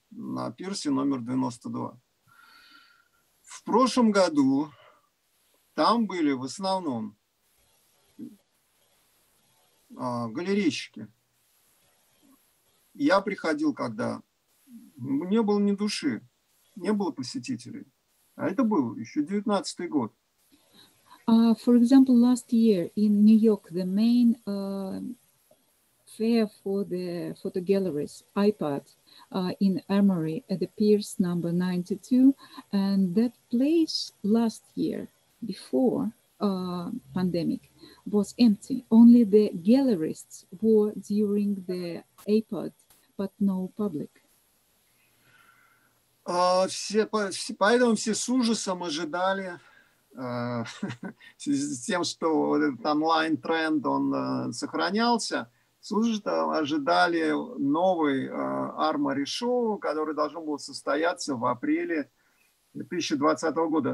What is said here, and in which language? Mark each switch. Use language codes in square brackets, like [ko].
[ru] На пирсе номер 92. В прошлом году там были в основном галерейщики. Я приходил, когда не было ни души, не было посетителей. А это был еще 19-й год. [en] For example, last year in New York, the main fair for the photo galleries, iPad, in Armory at the Pierce number 92, and that place last year, before pandemic, was empty. Only the gallerists were during the APOD, but no public. [ru] Поэтому все с ужасом ожидали с тем, что этот онлайн тренд он сохранялся. Слушайте, ожидали новый Armory Show, который должен был состояться в апреле 2020 года.